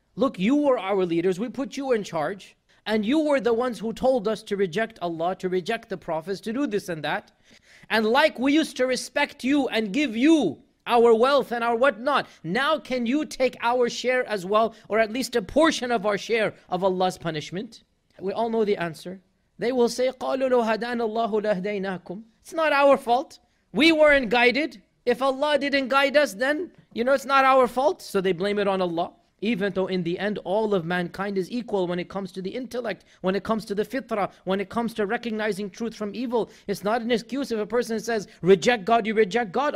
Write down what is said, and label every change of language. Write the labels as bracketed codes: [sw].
[en] Look, you were our leaders, we put you in charge, and you were the ones who told us to reject Allah, to reject the prophets, to do this and that. And like we used to respect you and give you our wealth and our whatnot, now can you take our share as well, or at least a portion of our share of Allah's punishment? We all know the answer. They will say, [ar] قَالُوا لَوْ هَدَانَ اللَّهُ لَهْدَيْنَاكُمْ. [en] It's not our fault. We weren't guided. If Allah didn't guide us, then, you know, it's not our fault. So they blame it on Allah. Even though in the end, all of mankind is equal when it comes to the intellect, when it comes to the fitrah, when it comes to recognizing truth from evil. It's not an excuse if a person says, reject God, you reject God.